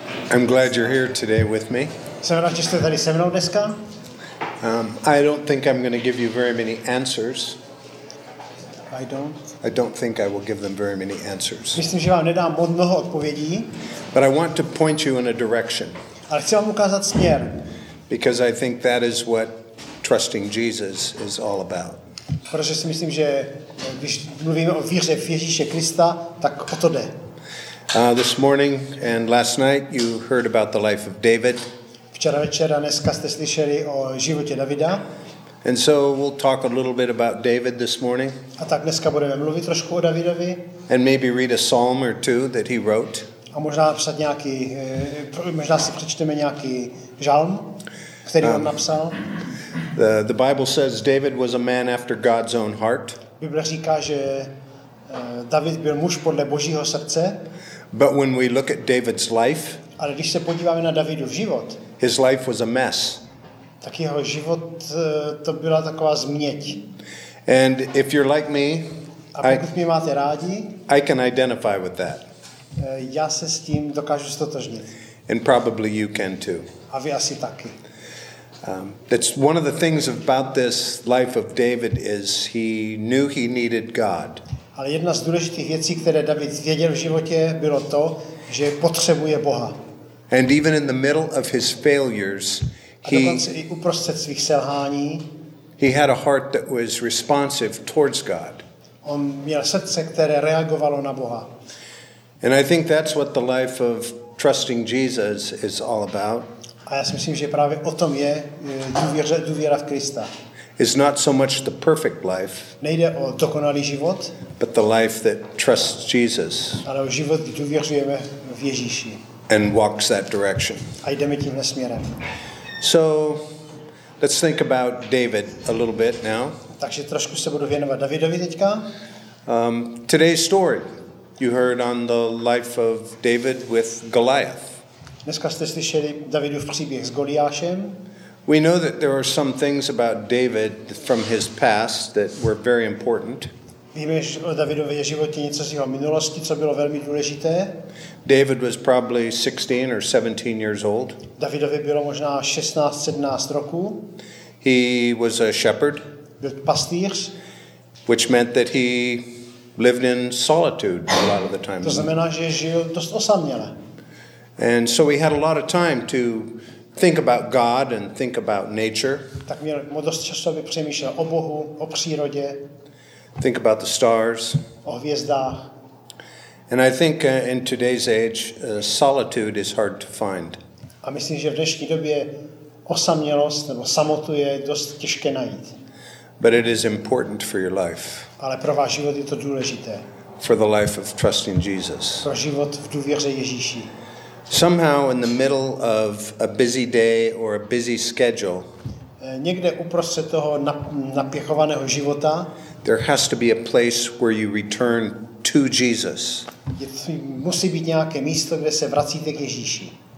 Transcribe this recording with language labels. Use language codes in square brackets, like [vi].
[en] I'm glad you're here today with me. So not just the 37 old desk. I don't think I'm going to give you very many answers. I don't think I will give them very many answers. [cs] Myslím, že vám nedám mnoho odpovědí. [en] But I want to point you in a direction. [cs] Ale chci vám ukázat směr. [en] Because I think that is what trusting Jesus is all about. [cs] Protože si myslím, že když mluvíme o víře v Ježíše Krista, tak o to jde. [en] This morning and last night you heard about the life of David. [cs] Včera večer a dneska jste slyšeli o životě Davida. [en] And so we'll talk a little bit about David this morning. [cs] A tak dneska budeme mluvit trošku o Davidovi. [en] And maybe read a psalm or two that he wrote. [cs] A možná napsat nějaký, možná si přečteme nějaký žalm, který on napsal. [en] The Bible says David was a man after God's own heart. [cs] Bible říká, že David byl muž podle Božího srdce. [en] But when we look at David's life, [cs] ale když se podíváme na Davidův život, [en] his life was a mess. [cs] Tak jeho život to byla taková změť. [en] And if you're like me, [cs] a pokud mě máte rádi, [en] I can identify with that. [cs] Já se s tím dokážu ztotožnit. [en] And probably you can too. [cs] A vy asi taky. [en] That's one of the things about this life of David is he knew he needed God. [cs] Ale jedna z důležitých věcí, které David věděl v životě, bylo to, že potřebuje Boha. [en] And even in the middle of his failures, [cs] i uprostřed svých selhání, [en] he had a heart that was responsive towards God. [cs] On měl srdce, které reagovalo na Boha. [en] And I think that's what the life of trusting Jesus is all about. [cs] A já si myslím, že právě o tom je důvěra v Krista. [en] It's not so much the perfect life, [cs] nejde o dokonalý život, [en] but the life that trusts Jesus, [cs] ale o život, kdy důvěřujeme v Ježíši, [en] and walks that direction. [cs] A jdeme tímhle směrem. [en] So, let's think about David a little bit now. [cs] Takže trošku se budu věnovat Davidovi teďka. [en] Today's story, you heard on the life of David with Goliath. [cs] Dneska jste slyšeli Davidův příběh s Goliášem. [en] We know that there are some things about David from his past that were very important. [cs] Víme, že o Davidově životě něco z jeho minulosti, co bylo velmi důležité. [en] David was probably 16 or 17 years old. [cs] Davidovi bylo možná 16-17 roků. [en] He was a shepherd. [cs] Byl pastýř. [en] Which meant that he lived in solitude a lot of the time. [cs] To znamená, že žil dost osaměle. [en] And so he had a lot of time to think about God and think about nature. [cs] Tak měl dost času, aby přemýšlel o Bohu, o přírodě. [en] Think about the stars. [cs] O hvězdách. [en] And I think in today's age, solitude is hard to find. [cs] A myslím, že v dnešní době osamělost nebo samotu je dost těžké najít. [en] But it is important for your life. [cs] Ale pro váš život je to důležité. [en] For the life of trusting Jesus. [cs] Pro život v důvěře Ježíši. [en] Somehow in the middle of a busy day or a busy schedule, [cs] někde uprostřed toho napěchovaného života, [en] there has to be a place where you return to Jesus. [cs] Musí být nějaké místo, kde se vracíte k Ježíši.